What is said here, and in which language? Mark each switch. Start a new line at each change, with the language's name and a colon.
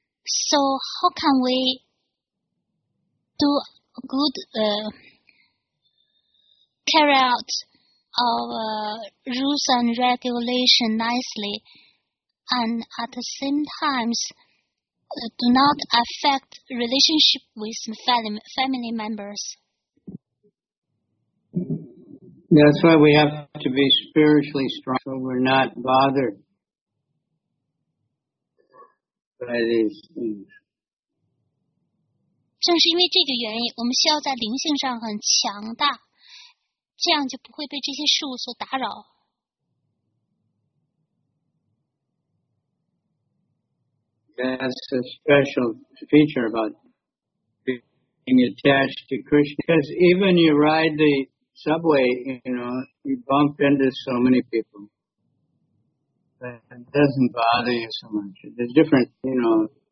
English: So how can we do good, carry out our rules and regulation nicely, and at the same time, do not affect relationship with family members? That's why we have to be spiritually strong so we're not bothered by these things.
Chinese: 正是因为这个原因，我们需要在灵性上很强大，这样就不会被这些事物所打扰。
English: That's a special feature about being attached to Krishna. Because even you ride the subway, you know, you bump into so many people. But it doesn't bother you so much. There's different, you know.